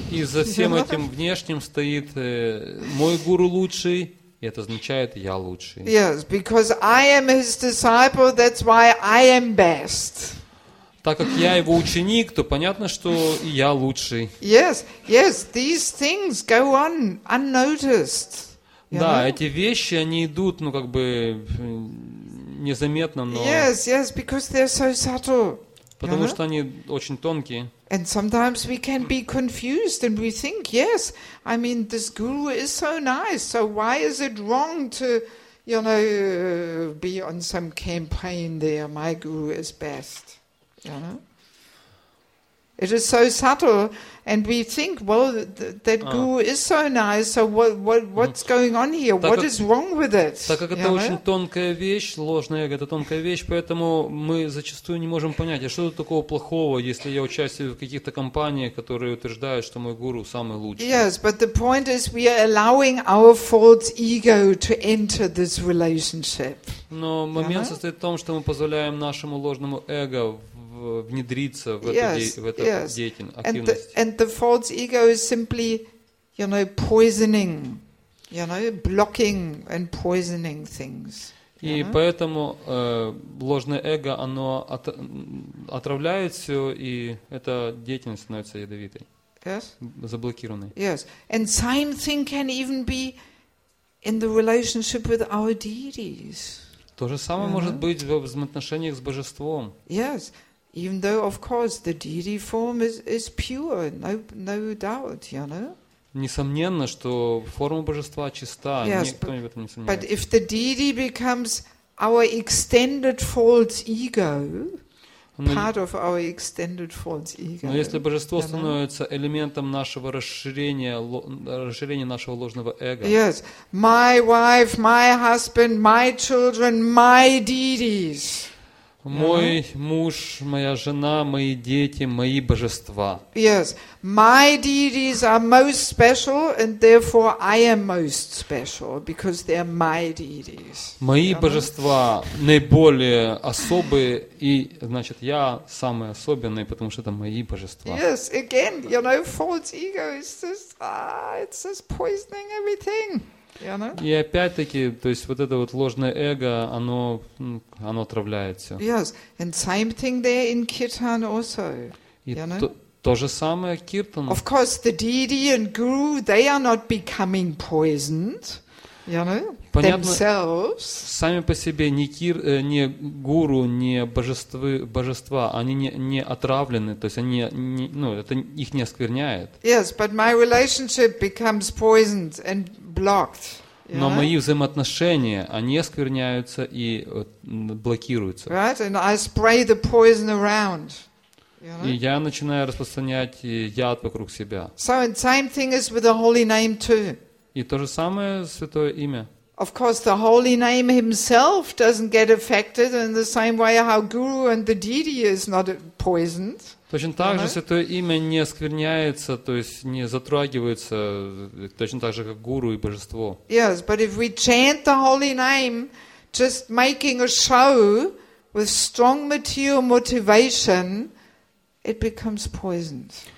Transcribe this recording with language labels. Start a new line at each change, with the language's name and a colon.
Russian: И за всем этим внешним стоит мой гуру лучший, и это означает я лучший.
English: Yes, because I am his disciple, that's why I am best.
Russian: Так как я его ученик, то понятно, что и я лучший.
English: Yes, yes, these things go on unnoticed.
Russian: Да, эти вещи, они идут, ну как бы незаметно, но
English: yes, yes, because they're so subtle.
Russian: Потому что они очень тонкие.
English: And sometimes we can be confused and we think, yes, I mean, this guru is so nice, so why is it wrong to, you know, be on some campaign there, my guru is best, you know? It is so subtle, and we think, well, that guru is so nice, so what's going on here? What is wrong with it?
Russian: Так как это очень тонкая вещь, ложное эго, это тонкая вещь, поэтому мы зачастую не можем понять, а что тут такого плохого, если я участвую в каких-то компаниях, которые утверждают, что мой гуру самый лучший?
English: Yes, but the point is, we are allowing our false ego to enter this relationship.
Russian: Но момент состоит в том, что мы позволяем нашему ложному эго внедриться в эту деятельность, активность.
English: And the false ego is simply, you know, poisoning, you know, blocking and poisoning things.
Russian: И поэтому ложное эго, оно отравляет все, и эта деятельность становится ядовитой.
English: Yes.
Russian: Заблокированный.
English: Yes. And same thing can even be in the relationship with our deities.
Russian: То же самое mm-hmm. может быть в взаимоотношениях с божеством.
English: Yes. Even though, of course, the deity form is pure, no doubt, you know.
Russian: Несомненно, что форма божества чиста,
English: yes,
Russian: никто не в этом не сомневается.
English: But if the deity becomes our extended false ego, part of our extended false ego.
Russian: Но если божество становится элементом нашего расширения нашего ложного эго.
English: Yes, my wife, my husband, my children, my deities.
Russian: Мой муж, моя жена, мои дети, мои божества.
English: Yes, my deities are most special, and therefore I am most special because they are my deities.
Russian: Мои божества наиболее особые, и значит я самый особенный, потому что это мои божества.
English: Yes, again, you know, false ego is just it's just poisoning everything.
Russian: И опять-таки, то есть вот это вот ложное эго, оно отравляет все.
English: Yes, and same thing there in Kirtan also.
Russian: То же самое Киртан.
English: Of course, the deity and guru, they are not becoming poisoned, themselves.
Russian: Сами по себе ни гуру, ни божества, они не отравлены, то есть они это их не оскверняет.
English: Yes, but my relationship becomes поisoned and blocked.
Russian: Но мои взаимоотношения, они оскверняются и блокируются.
English: Right, and I spray the poison around.
Russian: И я начинаю распространять яд вокруг себя.
English: So and same thing is with the holy name too.
Russian: И то же самое святое имя.
English: Of course, the holy name himself doesn't get affected in the same way how guru and the deity is not poisoned.
Russian: Точно так же святое имя не оскверняется, то есть не затрагивается, точно так же как гуру и божество.
English: Yes, but if we chant the holy name, just making a show with strong material motivation, it becomes poisoned.